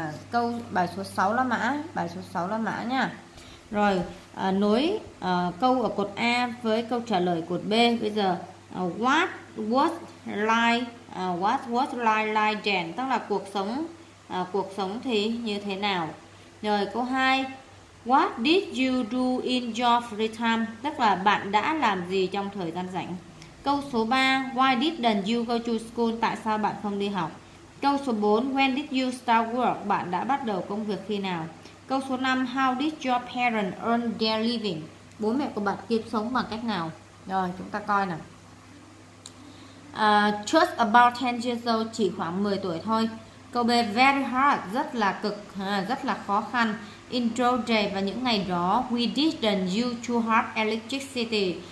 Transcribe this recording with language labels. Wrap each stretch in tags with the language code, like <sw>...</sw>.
<vi>Câu bài số 6 là mã. Bài số 6 là mã nha. Rồi, nối câu ở cột A với câu trả lời cột B. Bây giờ,</vi> <en>what was life like then?</en> <vi>Tức là cuộc sống thì như thế nào? Rồi, câu 2,</vi> <en>what did you do in your free time?</en> <vi>Tức là bạn đã làm gì trong thời gian rảnh? Câu số 3,</vi> <en>why didn't you go to school?</en> <vi>Tại sao bạn không đi học? Câu số 4,</vi> <en>when did you start work?</en> <vi>Bạn đã bắt đầu công việc khi nào? Câu số 5,</vi> <en>how did your parents earn their living?</en> <vi>Bố mẹ của bạn kiếm sống bằng cách nào? Rồi, chúng ta coi nào.</vi> <en>Just about 10 years old,</en> <vi>chỉ khoảng 10 tuổi thôi. Câu B,</vi> <en>very hard,</en> <vi>rất là cực, rất là khó khăn.</vi> <en>In those days,</en> <vi>và những ngày đó,</vi> <en>we didn't use to have electricity.</en>